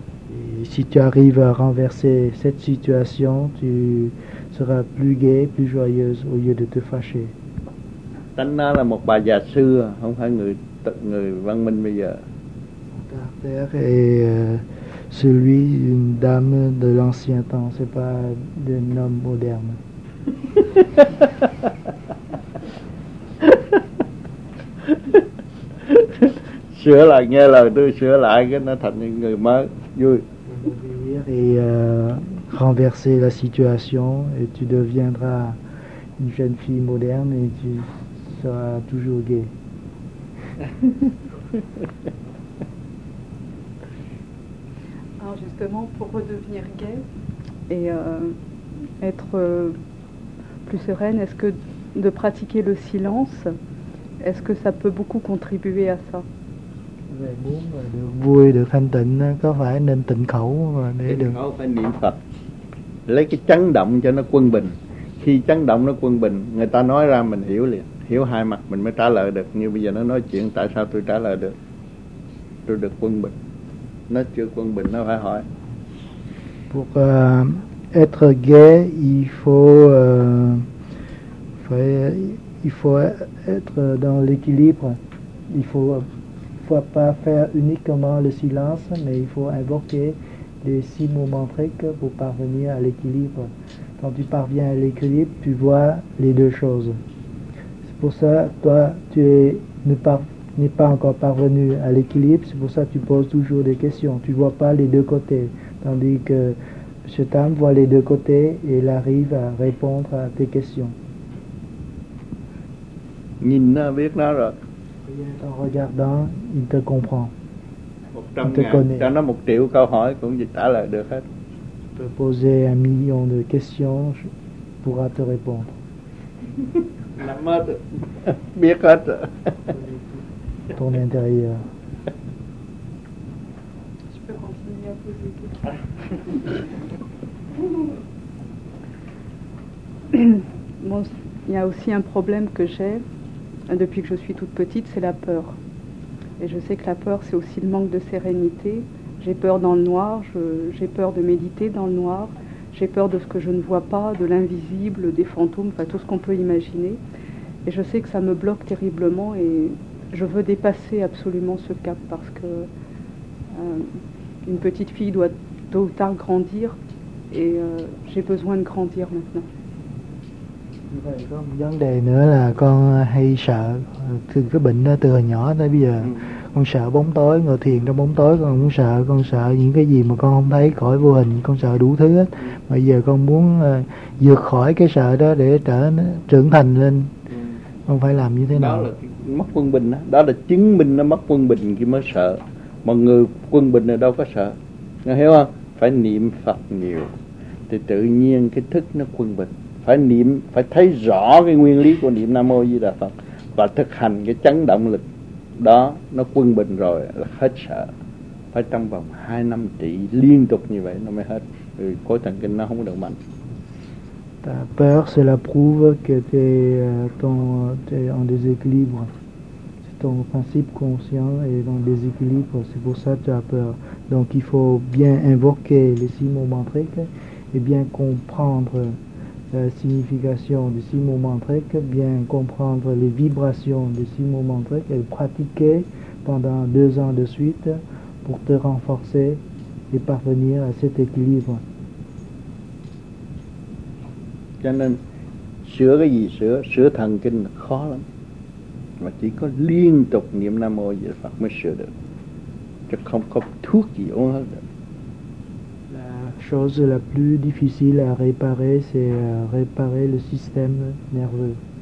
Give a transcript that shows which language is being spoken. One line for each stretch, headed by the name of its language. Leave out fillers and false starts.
French: Et si tu arrives à renverser cette situation, tu sera plus gai, plus joyeuse au lieu de te fâcher.
Vietnamese: Tánh nó là một bà già xưa, không phải người văn minh bây giờ.
French: Caractère est celui d'une dame de l'ancien temps, c'est pas d'un homme moderne.
Vietnamese: Sửa lại nghe lời tôi sửa lại cái nó thành người mới vui.
French: Et renverser la situation et tu deviendras une jeune fille moderne et tu seras toujours gay. Alors justement, pour redevenir gay et être plus sereine, est-ce que de pratiquer le silence, est-ce que ça peut beaucoup contribuer à ça?
Vietnamese: Về muốn mà được vui, được thanh tịnh, có phải nên tịnh khẩu mà để tịnh được khẩu phải niệm Phật, lấy cái chấn động cho nó quân bình. Khi chấn động nó quân bình, người ta nói ra mình hiểu liền, hiểu hai mặt mình mới trả lời được. Như bây giờ nó nói chuyện, tại sao tôi trả lời được? Tôi được quân bình. Nó chưa quân bình, nó phải hỏi.
French: Pour être gay, il faut être dans l'équilibre. Il faut pas faire uniquement le silence, mais il faut invoquer les six mouvements tricks pour parvenir à l'équilibre. Quand tu parviens à l'équilibre, tu vois les deux choses. C'est pour ça, toi, tu n'es pas encore parvenu à l'équilibre, c'est pour ça que tu poses toujours des questions. Tu vois pas les deux côtés, tandis que M. Tam voit les deux côtés et il arrive à répondre à tes questions.
Vietnamese: Nhìn nó, biết nó rồi.
French: En regardant, il te comprend.
Vietnamese: Cho nó 1 triệu câu hỏi cũng dịch trả lời được hết.
French: Te poser 1 million de questions, je pourra te répondre.
Vietnamese: Là mất, biết hết.
French: Ton intérieur. Je peux continuer à poser des questions. Bon, il y a aussi un problème que j'ai depuis que je suis toute petite, c'est la peur. Et je sais que la peur, c'est aussi le manque de sérénité. J'ai peur dans le noir, j'ai peur de méditer dans le noir, j'ai peur de ce que je ne vois pas, de l'invisible, des fantômes, enfin tout ce qu'on peut imaginer. Et je sais que ça me bloque terriblement et je veux dépasser absolument ce cap parce que une petite fille doit tôt ou tard grandir et j'ai besoin de grandir maintenant.
Vietnamese: Có một vấn đề nữa là con hay sợ thường cái bệnh đó từ hồi nhỏ tới bây giờ. Con sợ bóng tối, ngồi thiền trong bóng tối con sợ những cái gì mà con không thấy, khỏi vô hình, con sợ đủ thứ hết. Mà giờ con muốn vượt khỏi cái sợ đó để trưởng thành lên. Con phải làm như thế nào? Đó là mất quân bình đó, đó là chứng minh nó mất quân bình khi mới sợ. Mà người quân bình là đâu có sợ. Nghe hiểu không? Phải niệm Phật nhiều thì tự nhiên cái thức nó quân bình. Phải niệm, phải thấy rõ cái nguyên lý của niệm Nam Mô Di Đà Phật và thực hành cái chấn động lực đó, nó quân bình rồi là hết sợ. Phải trong vòng 2 năm trị liên tục như vậy nó mới hết, vì khối thần kinh nó không được mạnh.
French: Ta peur, c'est la prouve que t'es en déséquilibre. C'est ton principe conscient est en déséquilibre, c'est pour ça que tu as peur. Donc il faut bien invoquer les six mouvements tricks et bien comprendre la signification des six mouvements tricks, bien comprendre les vibrations des six mouvements tricks et pratiquer pendant 2 ans de suite pour te renforcer et parvenir à cet équilibre.
Vietnamese: Cho nên, sửa cái gì sửa, sửa thần kinh là khó lắm. Mà chỉ có liên tục niệm Nam Mô Di Đà Phật mới sửa được. Chứ không có thuốc gì uống hết được.
French: La chose la plus difficile à réparer, c'est réparer le système nerveux.